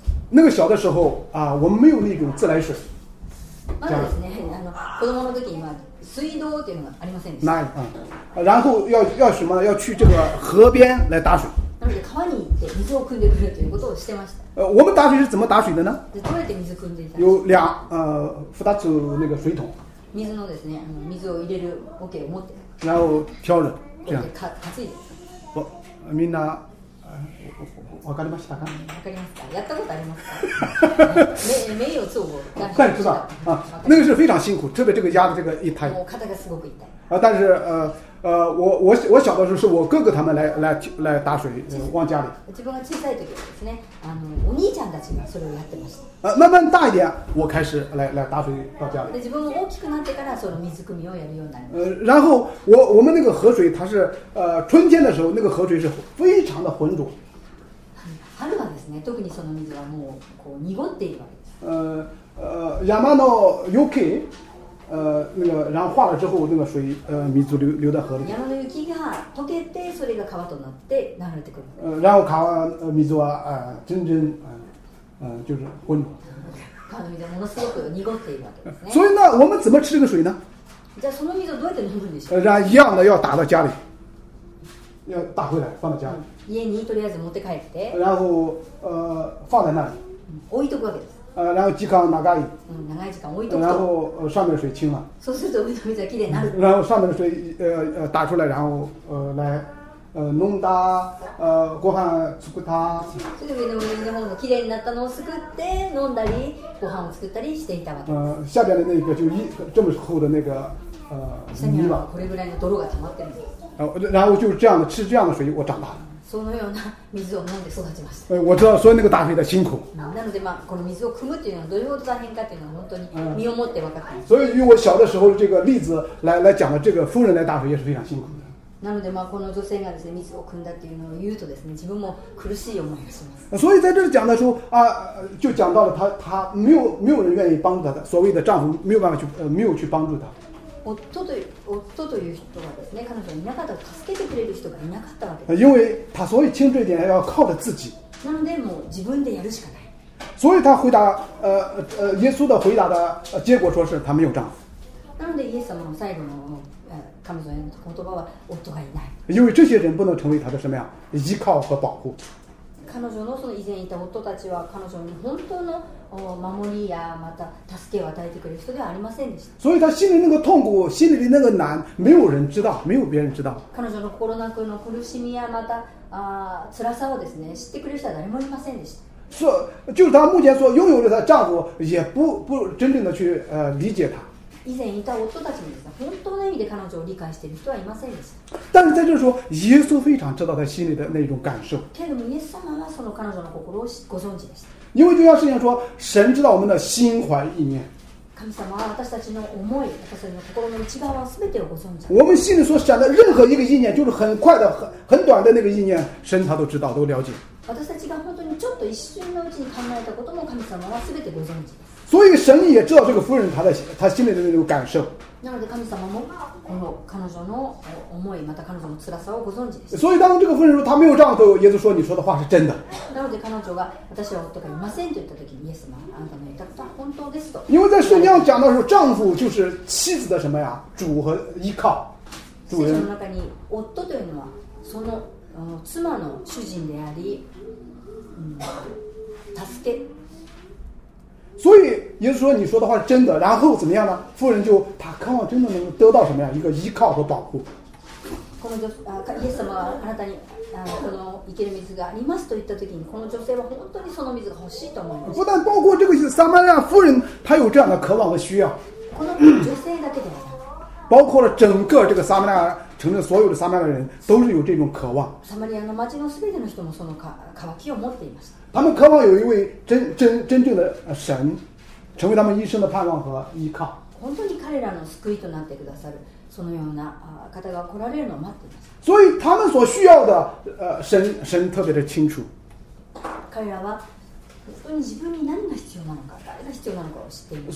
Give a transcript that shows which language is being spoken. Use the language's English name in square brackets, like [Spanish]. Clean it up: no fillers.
[Chinese] 那个小的时候啊，我们没有那种自来水。 [Japanese] まだですね、子供の時には水道というのがありませんでした [Chinese] 。 然后要什么？要去这个河边来打水。 [Japanese] なので川に行って水を汲んでくるということをしてました。 [Chinese] 我们打水是怎么打水的呢？ [Japanese] どうやって水汲んでいた？ [Chinese] 有两二つ那个水桶。 [Japanese] 水のですね、水を入れるおけを持って。 [Chinese] 然后挑着这样。 [Japanese] かかついで。不，みんな。わかりましたか。わかりますか。やったことありますか。 [Chinese] 没有做过。但知道啊，那个是非常辛苦，特别这个压的这个一胎。 [Japanese] 我肩がすごく痛い。 [Chinese] 但是我小的时候是我哥哥他们来打水往家里。 [Japanese] 自分が小さい時ですね、お兄ちゃんたちがそれをやってました。 [Chinese] 慢慢大一点，我开始来打水到家里。 [Japanese] 自分大きくなってからその水汲みをやるようになります。 [Chinese] 然后我们那个河水它是春天的时候那个河水是非常的浑浊。 [Japanese] 春はですね、特にその水はもうこう濁っているわけです。山の雪。 [Chinese] 那个然后化了之后，那个水水流到河里。 [Japanese] 山の雪が溶けて、それが川となって流れてくる。 [Chinese] 然后川水は真正就是浑浊。 [Japanese] 川の水ものすごく濁っているわけですね。 [Chinese] 所以呢，我们怎么吃这个水呢？ [Japanese] じゃあその水をどうやって飲むんでしょう？ [Chinese] 然后一样的要打到家里，要打回来放到家里。 [Japanese] 家にとりあえず持って帰って。 [Chinese] 然后放在那里。 [Japanese] 置いとくわけです。 [Chinese] 然后时间长 [Japanese] い。長い時間置いとくと。 [Chinese] 然后上面水清了。 [Japanese] そうすると水はきれいになる。 [Chinese] 然后上面水打出来，然后来 [Japanese] 飲んだ、ご飯作った。それで上の方もきれいになったのをすくって飲んだり、ご飯を作ったりしていたわけです。 [Chinese] 下边的那个就一这么厚的那个 [Japanese] 下面はこれぐらいの泥が溜まってます。 [Chinese] 然后就这样的吃这样的水，我长大了。 [Japanese] そのような水を飲んで育ちました [Chinese] 我知道所以那个打水的辛苦。 [Japanese] なので、まあ、この水を汲むというのはどれほど大変かというのは本当に身をもって分かった。 [Chinese] 所以以我小的时候这个例子来讲的这个夫人来打水也是非常辛苦的。 [Japanese] なので、まあ、この女性がですね、水を汲んだというのを言うとですね、自分も苦しい思いがします。 [Chinese] 所以在这里讲的时候就讲到了她没有人愿意帮助她的，所谓的丈夫没有办法去没有去帮助她。 [Japanese] 夫という人がですね、彼女がいなかったと助けてくれる人がいなかったわけです。 [Chinese] 因为他所以清楚一点要靠着自己。 [Japanese] なのでもう自分でやるしかない。 [Chinese] 所以他回答耶稣的回答的结果说是他没有丈夫。 [Japanese] なのでイエス様の最後の彼女への言葉は夫がいない。 [Chinese] 因为这些人不能成为他的什么呀？依靠和保护。 [Japanese] 彼女のその以前いた夫たちは彼女に本当の守りやまた助けを与えてくれる人ではありませんでした。 [Chinese] 所以他心里那个痛苦、心里那个难、没有人知道、没有别人知道。 [Japanese] 彼女の心の中の苦しみやまた辛さをですね、知ってくれる人は誰もいませんでした。 [Chinese] 所以就是她目前所拥有的她丈夫也不真正的去理解她。 [Japanese] 以前いた夫たちもですね、本当の意味で彼女を理解している人はいませんでした。 [Chinese] 但是在这说，耶稣非常知道他心里的那种感受。 [Japanese] けれどもイエス様はその彼女の心をご存知でした。 [Chinese] 因为就像圣经说，神知道我们的心怀意念。 [Japanese] 神様は私たちの思い、私たちの心の内側はすべてをご存知。 [Chinese] 我们心里所想的任何一个意念，就是很快的、很短的那个意念，神他都知道、都了解。 [Japanese] 私たちが本当にちょっと一瞬のうちに考えたことも神様はすべてご存知。 [Chinese] 所以神也知道这个夫人她心里的那种感受。 [Japanese] なので神様もこの彼女の思いまた彼女の辛さをご存知です。 [Chinese] 所以当这个夫人说她没有丈夫，耶稣说你说的话是真的。 [Japanese] なので彼女が私は夫がいませんと言った時にイエス様あなたの言ったことは本当ですと。 [Chinese] 因为在圣经讲到说丈夫就是妻子的什么呀主和依靠。 [Japanese] 主人。聖書の中に夫というのはその妻の主人であり、助け。 [Chinese] 所以耶稣说你说的话是真的，然后怎么样呢？妇人就她渴望真的能得到什么呀？一个依靠和保护。 [Japanese] この女あイエス様はあなたにあこの生ける水がありますと言った時にこの女性は本当にその水が欲しいと思います。 [Chinese] 不但包括这个撒玛利亚妇人她有这样的渴望和需要， [Japanese] この女性だけではなく [Chinese] 包括了整个这个撒玛利亚城镇所有的撒玛利亚人都是有这种渴望。 [Japanese] 撒玛利亚の町のすべての人もその渇きを持っています。 [Chinese] 他们渴望有一位 真正的神成为他们一生的盼望和依靠。 [Japanese] 本当に彼らの救いとなってくださるそのような方が来られるのを待っています。 [Chinese] 所以他们所需要的神特别的清楚。 [Japanese] 彼らは本当に自分に何が必要なのか誰が必要なのかを知っています。